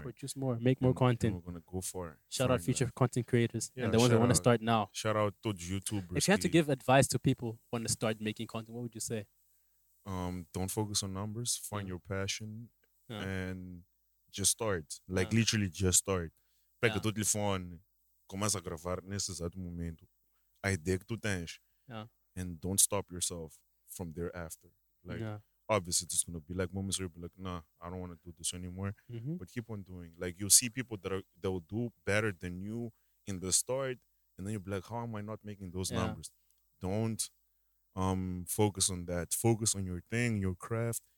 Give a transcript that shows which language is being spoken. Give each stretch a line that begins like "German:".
English: Produce more, make more content. We're going to go for it. Shout out future content creators and the ones that want to start now. Shout out to YouTubers. If you had to give advice to people who want to start making content, what would you say? Don't focus on numbers, find your passion and just start. Like literally just start.
Portuguese: Pega teu telefone, começa a gravar nesse exato momento.
English: A ideia que tu tens. And don't stop yourself from there after. Like obviously it's gonna be like moments where you'll be like, nah, I don't wanna do this anymore. Mm-hmm. But keep on doing. Like you'll see people that will do better than you in the start, and then you'll be like, how am I not making those numbers? Don't focus on that. Focus on your thing, your craft.